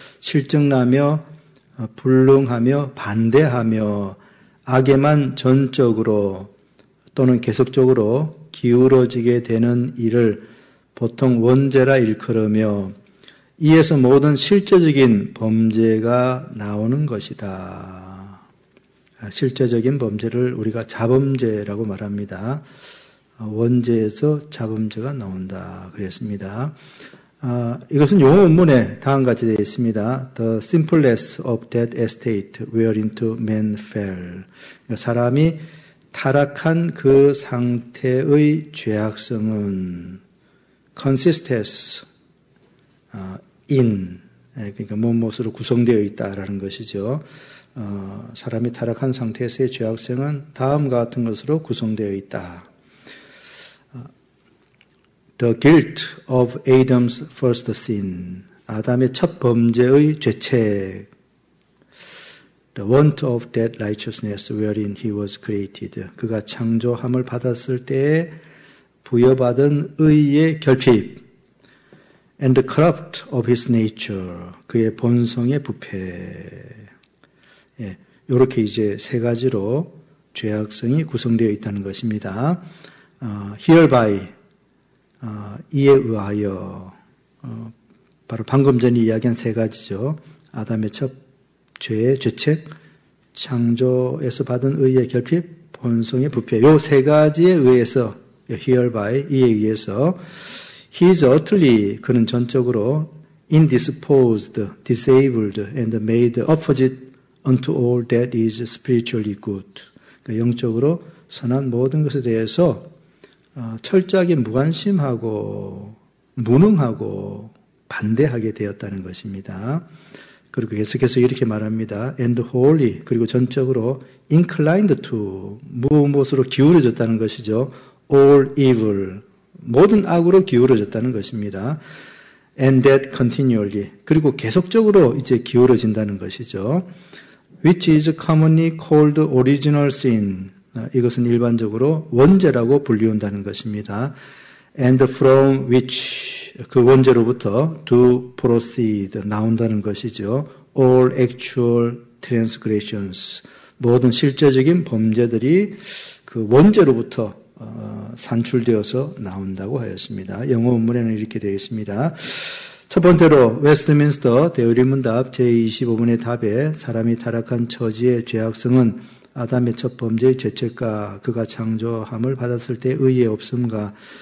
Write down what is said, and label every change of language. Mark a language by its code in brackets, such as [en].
[ko] 실증나며 불능하며 반대하며 악에만 전적으로 또는 계속적으로 기울어지게 되는 일을 보통 원죄라 일컬으며 이에서 모든 실제적인 범죄가 나오는 것이다. 실제적인 범죄를 우리가 자범죄라고 말합니다. 원죄에서 자범죄가 나온다 그랬습니다. 이것은 용어 원문에 다음과 같이 되어 있습니다. [en] The simpleness of that estate wherein to man fell. [ko] 사람이 타락한 그 상태의 죄악성은 [en] consists in, [ko] 그러니까 무엇으로 구성되어 있다라는 것이죠. 사람이 타락한 상태에서의 죄악성은 다음과 같은 것으로 구성되어 있다. [en] The guilt of Adam's first sin. [ko] 아담의 첫 범죄의 죄책. [en] The want of that righteousness wherein he was created. [ko] 그가 창조함을 받았을 때에 부여받은 의의 결핍. [en] And the corrupt of his nature. [ko] 그의 본성의 부패. 예, 요렇게 이제 세 가지로 죄악성이 구성되어 있다는 것입니다. [en] Hereby. [ko] 이에 의하여 바로 방금 전에 이야기한 세 가지죠. 아담의 첫 죄의 죄책, 창조에서 받은 의의 결핍, 본성의 부패. 요 세 가지에 의해서 [en] hereby [ko] 이에 의해서 [en] he is utterly [ko] 그는 전적으로 [en] indisposed, disabled and made opposite unto all that is spiritually good. [ko] 그러니까 영적으로 선한 모든 것에 대해서 철저하게 무관심하고 무능하고 반대하게 되었다는 것입니다. 그리고 계속해서 이렇게 말합니다. [en] And wholly, [ko] 그리고 전적으로 [en] inclined to, [ko] 무엇으로 기울어졌다는 것이죠. [en] All evil, [ko] 모든 악으로 기울어졌다는 것입니다. [en] And that continually, [ko] 그리고 계속적으로 이제 기울어진다는 것이죠. [en] Which is commonly called original sin. [ko] 이것은 일반적으로 원죄라고 불리운다는 것입니다. [en] And from which, [ko] 그 원죄로부터 [en] do proceed, [ko] 나온다는 것이죠. [en] All actual transgressions, [ko] 모든 실제적인 범죄들이 그 원죄로부터 산출되어서 나온다고 하였습니다. 영어 원문에는 이렇게 되어 있습니다. 첫 번째로 웨스트민스터 대요리문답 제25문의 답에 사람이 타락한 처지의 죄악성은 아담의 첫 범죄의 죄책과 그가 창조함을 받았을 때 의의 없음과